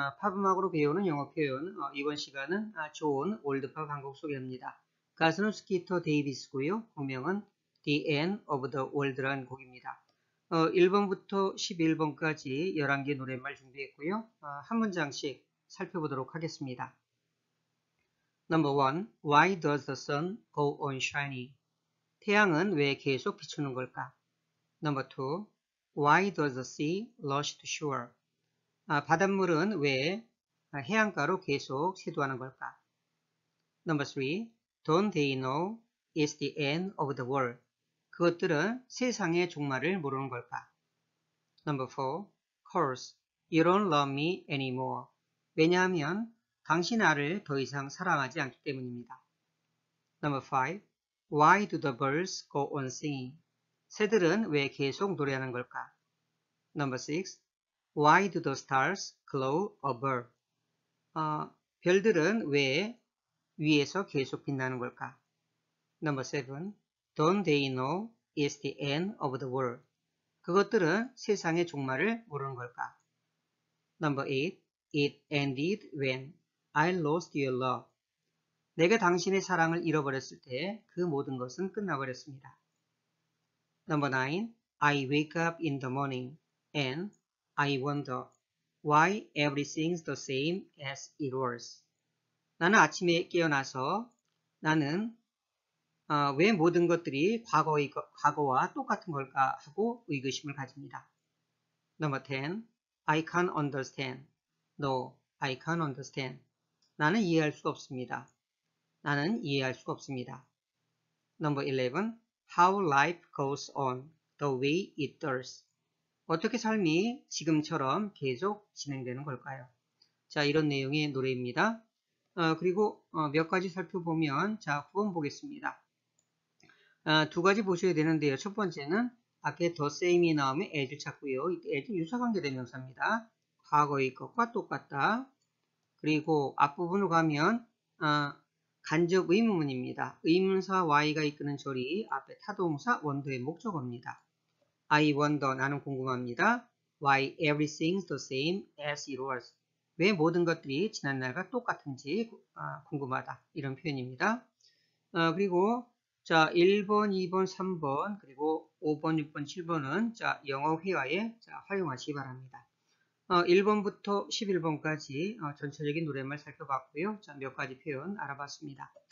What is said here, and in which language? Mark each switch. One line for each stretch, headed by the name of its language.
Korean: 팝음악으로 배우는 영어 표현. 이번 시간은 좋은 올드팝 한곡 소개합니다. 가수는 스키터 데이비스고요. 곡명은 The End of the World라는 곡입니다. 1번부터 11번까지 11개 노랫말 준비했고요. 한 문장씩 살펴보도록 하겠습니다.
English: Number 1. Why does the sun go on shining?
Korean: 태양은 왜 계속 비추는 걸까?
English: Number 2. Why does the sea rush to shore?
Korean: 바닷물은 왜 해안가로 계속 세도하는 걸까?
English: Number 3. Don't they know it's the end of the world?
Korean: 그것들은 세상의 종말을 모르는 걸까?
English: Number 4. Course, you don't love me anymore.
Korean: 왜냐하면 당신 나를 더 이상 사랑하지 않기 때문입니다.
English: Number 5. Why do the birds go on singing?
Korean: 새들은 왜 계속 노래하는 걸까?
English: Number 6. Why do the stars glow above?
Korean: 별들은 왜 위에서 계속 빛나는 걸까?
English: Number 7. Don't they know it's the end of the world?
Korean: 그것들은 세상의 종말을 모르는 걸까?
English: Number 8. It ended when I lost your love.
Korean: 내가 당신의 사랑을 잃어버렸을 때그 모든 것은 끝나버렸습니다.
English: Number 9. I wake up in the morning and I wonder why everything's the same as it was.
Korean: 나는 아침에 깨어나서 나는 왜 모든 것들이 과거와 똑같은 걸까 하고 의구심을 가집니다.
English: Number 10. I can't understand. No, I can't understand.
Korean: 나는 이해할 수 없습니다. 나는 이해할 수 없습니다.
English: Number 11. How life goes on the way it does.
Korean: 어떻게 삶이 지금처럼 계속 진행되는 걸까요? 자, 이런 내용의 노래입니다. 그리고 몇 가지 살펴보면, 자, 9번 보겠습니다. 두 가지 보셔야 되는데요. 첫 번째는 앞에 the same이 나오면 as 찾고요. as 유사관계 대명사입니다. 과거의 것과 똑같다. 그리고 앞부분으로 가면 간접 의문문입니다. 의문사 y가 이끄는 절이 앞에 타동사 원도의 목적어입니다.
English: I wonder,
Korean: 나는 궁금합니다.
English: Why everything's the same as it was.
Korean: 왜 모든 것들이 지난날과 똑같은지 궁금하다. 이런 표현입니다. 그리고, 자, 1번, 2번, 3번, 그리고 5번, 6번, 7번은, 자, 영어 회화에 자, 활용하시기 바랍니다. 1번부터 11번까지 전체적인 노랫말 살펴봤고요. 자, 몇 가지 표현 알아봤습니다.